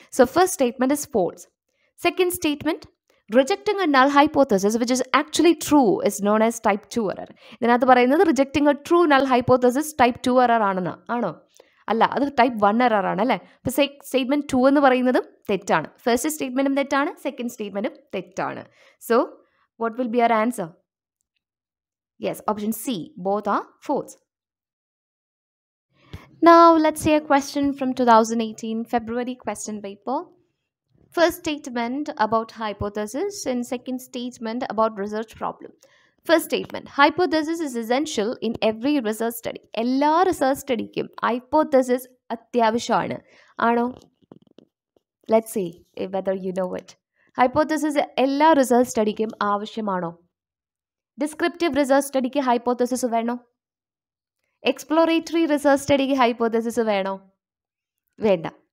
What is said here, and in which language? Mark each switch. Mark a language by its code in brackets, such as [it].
[en] So first statement is false. Second statement, rejecting a null hypothesis which is actually true is known as type two error. [ml] ഇതിനകത്ത് പറയുന്നത് [en] rejecting a true null hypothesis type two error [ml] ആണെന്ന്. ആണോ? അല്ല, അത് type one error ആണല്ലേ. ഇപ്പോൾ statement two എന്ന് പറയുന്നതും തെറ്റാണ്. ഫസ്റ്റ് സ്റ്റേറ്റ്മെൻറ്റും തെറ്റാണ്, സെക്കൻഡ് സ്റ്റേറ്റ്മെൻറ്റും തെറ്റാണ്. [en] So what will be our answer? Yes, option C, both are false. Now let's see a question from 2018 February question paper. First statement about hypothesis and second statement about research problem. First statement, hypothesis is essential in every research study. [ml] എല്ലാ research സ്റ്റഡിക്കും hypothesis അത്യാവശ്യമാണ്. ആണോ? [en] Let see whether you know it. [ml] Hypothesis എല്ലാ research സ്റ്റഡിക്കും ആവശ്യമാണോ? Descriptive research സ്റ്റഡിക്ക് hypothesis വേണോ? Exploratory research സ്റ്റഡിക്ക് hypothesis വേണോ? വേണ്ട.